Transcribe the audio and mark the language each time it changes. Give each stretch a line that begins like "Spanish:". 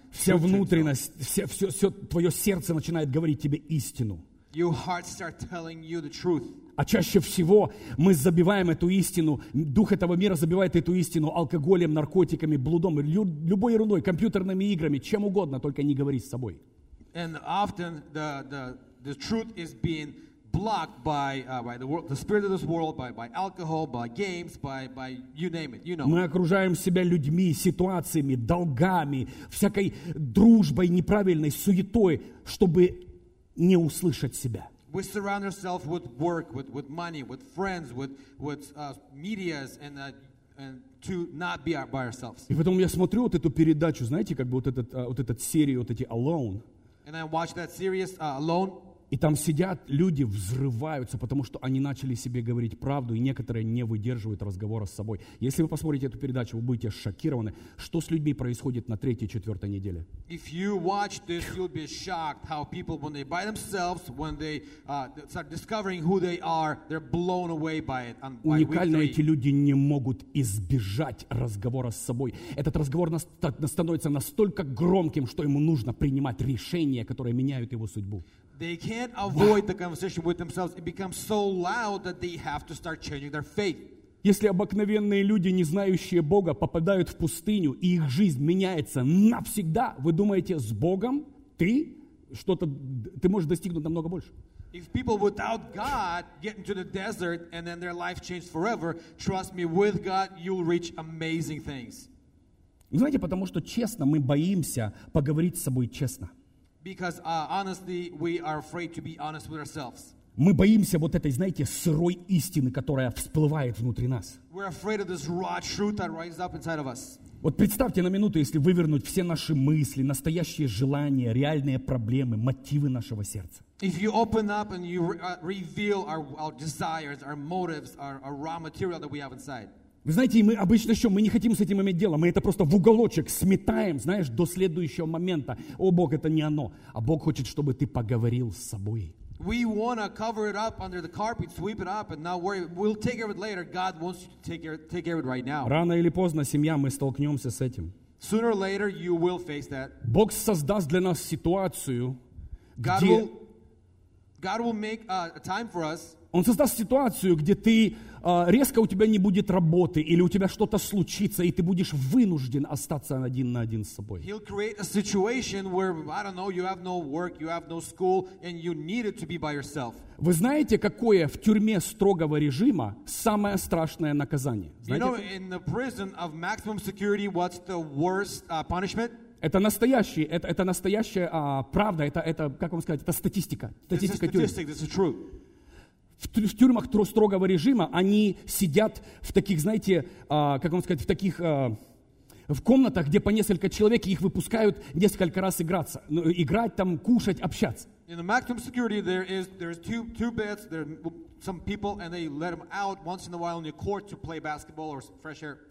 Russian: Вся внутренность, все твое сердце начинает говорить тебе истину.
English: Your heart starts telling you the truth.
Russian: А чаще всего мы забиваем эту истину, дух этого мира забивает эту истину алкоголем, наркотиками, блудом, любой ерундой, компьютерными играми, чем угодно, только не говори с собой.
English: And often the truth is being blocked by the world, the spirit of this world, by alcohol, by games, by you name it, you know.
Russian: Мы окружаем себя людьми, ситуациями, долгами, всякой дружбой, неправильной суетой, чтобы не услышать себя.
English: We surround ourselves with work, with money, with friends, with medias and to not be by ourselves.
Russian: И потом я смотрю вот эту передачу, знаете, как бы вот этот серию вот эти Alone.
English: And I watch that series Alone.
Russian: И там сидят люди, взрываются, потому что они начали себе говорить правду, и некоторые не выдерживают разговора с собой. Если вы посмотрите эту передачу, вы будете шокированы, что с людьми происходит на третьей, четвертой неделе.
English: If you watch this, you'll be shocked how people, when they by themselves, when they start discovering who they are, they're blown away by it.
Russian: Уникально, эти люди не могут избежать разговора с собой. Этот разговор становится настолько громким, что ему нужно принимать решения, которые меняют его судьбу.
English: They can't avoid the conversation with themselves. It becomes so loud that they have to start changing their faith.
Russian: Если обыкновенные люди, не знающие Бога, попадают в пустыню, и их жизнь меняется навсегда, вы думаете, с Богом ты можешь достигнуть намного больше?
English: If people without God get into the desert and then their life changes forever, trust me, with God you'll reach amazing things.
Russian: Знаете, потому что честно, мы боимся поговорить с собой честно.
English: Because honestly, we are afraid to be honest with ourselves.
Russian: Мы боимся вот этой, знаете, сырой истины, которая всплывает внутри нас.
English: We're afraid of this raw truth that rises up inside of us.
Russian: Вот представьте на минуту, если вывернуть все наши мысли, настоящие желания, реальные проблемы, мотивы нашего сердца.
English: If you open up and you reveal our desires, our motives, our raw material that we have inside.
Russian: Вы знаете, мы обычно что? Мы не хотим с этим иметь дело. Мы это просто в уголочек сметаем, знаешь, до следующего момента. О, Бог, это не оно. А Бог хочет, чтобы ты поговорил с собой.
English: We want to cover it up under the carpet, sweep it up, and not worry. We'll take care of it later. God wants you to take care of it right now.
Russian: Рано или поздно, семья, мы столкнемся с этим.
English: Sooner or later, you will face that.
Russian: Бог создаст для нас ситуацию,
English: God will make a time for us.
Russian: Он создаст ситуацию, где ты резко у тебя не будет работы, или у тебя что-то случится, и ты будешь вынужден остаться один на один с собой.
English: He'll create a situation where, I don't know, you have no work, you have no school, and you need it to be by yourself.
Russian: Вы знаете, какое в тюрьме строгого режима самое страшное наказание? Знаете?
English: You know, in the prison of maximum security, what's the worst punishment?
Russian: Это настоящий, это настоящая правда, это как вам сказать, это статистика. Статистика тюрьмы.
English: This is statistic, this is true.
Russian: В тюрьмах строгого режима они сидят в таких, знаете, как вам сказать, в таких в комнатах, где по несколько человек, и их выпускают несколько раз играться. Ну, играть там, кушать, общаться.
English: In the maximum security there's two beds, there are some people, and they let them out once in a while on the court to play basketball or fresh air.